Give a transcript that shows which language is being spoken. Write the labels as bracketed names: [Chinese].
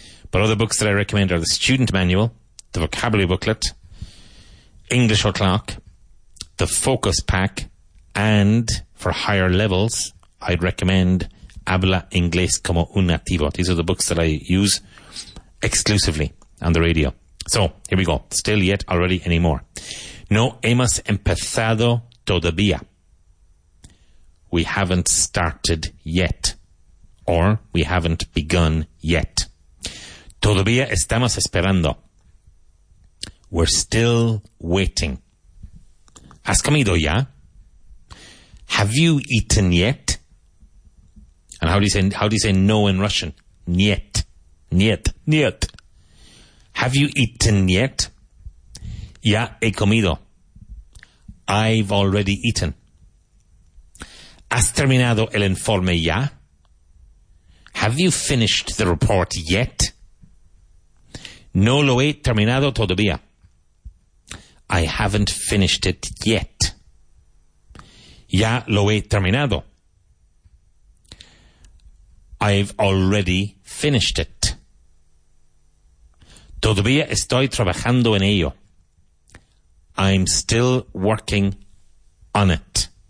[English] But other books that I recommend are the Student Manual, the Vocabulary Booklet, English O'Clock, the Focus Pack, and for higher levels, I'd recommend Habla Inglés Como Un Nativo. These are the books that I use exclusively on the radio. So, here we go. Still yet, already anymore. [Spanish] No hemos empezado todavía. [English] We haven't started yet. Or, we haven't begun yet. [Spanish] Todavía estamos esperando. [English] We're still waiting. [Spanish] ¿Has comido ya? [English] Have you eaten yet? And how do you say no in Russian? Niet. Have you eaten yet? [Spanish] Ya he comido. [English] I've already eaten. [Spanish] ¿Has terminado el informe ya? [English] Have you finished the report yet? [Spanish] No lo he terminado todavía. [English] I haven't finished it yet. [Spanish] Ya lo he terminado. [English] I've already finished it. [Spanish] Todavía estoy trabajando en ello. [English] I'm still working on it.